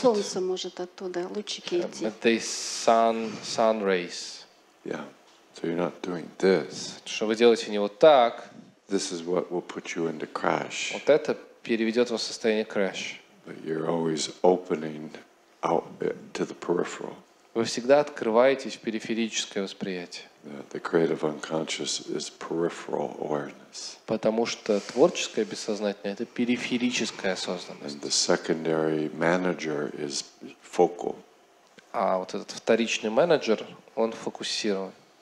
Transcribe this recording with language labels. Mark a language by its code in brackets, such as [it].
[ru] Солнце может оттуда лучики идти. Это [en] sun rays. Yeah. So you're not doing this. [ru] Что вы делаете не вот так. [en] This is what will put you into crash. [ru] Вот это переведет вас в состояние crash. [en] But you're always opening out to the peripheral. [ru] Вы всегда открываетесь в периферическое восприятие. [en] The creative unconscious is peripheral awareness. [ru] Потому что творческое бессознательное — это периферическая осознанность. [en] And the secondary manager is focal. [ru] А вот этот вторичный менеджер, он фокусирован.